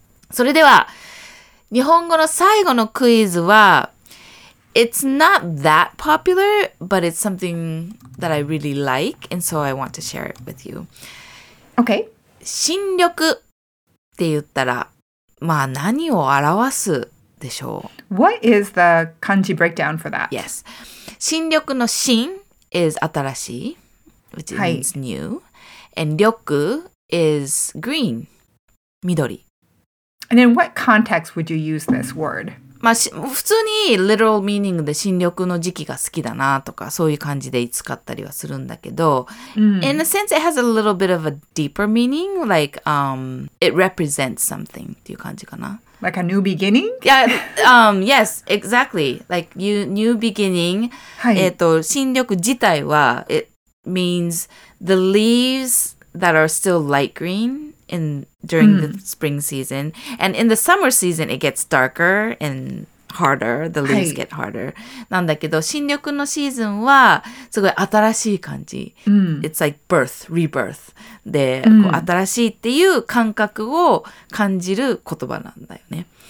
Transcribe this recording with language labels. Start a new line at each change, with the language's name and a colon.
Japanese: それでは、日本語の最後のクイズは、
English: It's not that popular, but it's something that I really like, and so I want to share it with you. Okay.
Japanese: 新緑って言ったら、まあ何を表すでしょう?
English: What is the kanji breakdown for that? Yes.
Japanese: 新緑の新
English: is 新しい, which means new. And 緑 is green, 緑. And in what context would you use this word?
Japanese: まあ、普通に
English: literal meaning
Japanese: で新緑の時期が好きだなとかそういう感じで使ったりはするんだけど、mm.
English: In a sense, it has a little bit of a deeper meaning, like, it represents something
Japanese: っていう感じかな。
English: Like a new beginning? Yeah, yes, exactly. Like, new beginning.
Japanese: 、はい、新緑自体は
English: it means the leaves that are still light green. During the spring season. And in the summer season, it gets darker and harder. The leaves、はい、get harder.
Japanese: なんだけど、新緑のシーズンはすごい新しい感じ。
English: It's like birth, rebirth.
Japanese: で、こう新しいっていう感覚を感じる言葉なんだよね。